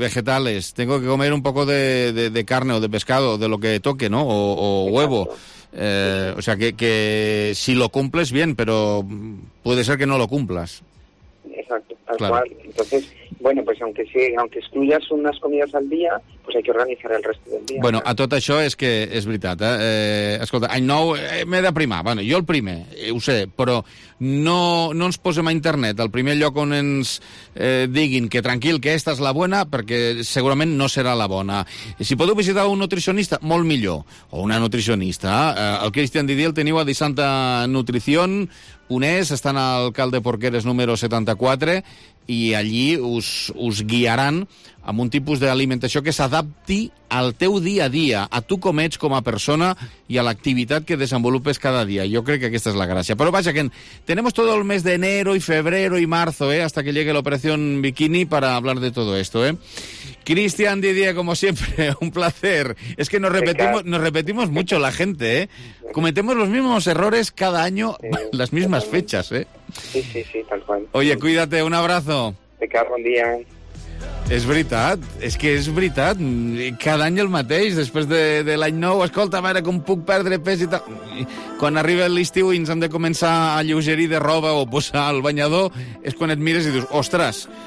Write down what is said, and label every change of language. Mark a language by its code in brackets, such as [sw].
[es] Vegetales, tengo que comer un poco de carne o de pescado, de lo que toque, ¿no? O huevo. O sea, que si lo cumples, bien, pero puede ser que no lo cumplas. Exacto, tal cual. Entonces, bueno, pues aunque excluyas unas comidas al día, pues hay que organizar el resto del día. [ca] Bueno, ¿no? A tot això és que és veritat, escolta, [en] I know, [ca] m'he de primar, bueno, jo el primer, ho sé, però no ens posem a internet al primer lloc on ens diguin que tranquil, que esta és la bona, perquè segurament no serà la bona. Si podeu visitar un nutricionista, molt millor, o una nutricionista, el Cristian Didier el teniu a Disanta Nutrición, un és, estan al alcalde Porqueres número 74, i allí us guiaran amb un tipus d'alimentació que s'adapti al teu dia a dia, a tu com ets com a persona i a l'activitat que desenvolupes cada dia. Jo crec que aquesta és la gràcia. Però vaja, [es] que tenemos todo el mes de enero y febrero y marzo, hasta que llegue la operación bikini para hablar de todo esto, Cristian Didier, como siempre, un placer. Es que nos repetimos mucho la gente, Cometemos los mismos errores cada año, las mismas fechas, Sí, tal cual. Oye, cuídate, un abrazo. Te quedo, buen día. [ca] És veritat, és que és veritat. Cada any el mateix, després de l'any nou, escolta, mare, com puc perdre pes i tal. Quan arriba l'estiu i ens hem de començar a alleugerir de roba o posar el banyador, és quan et mires i dius, ostres,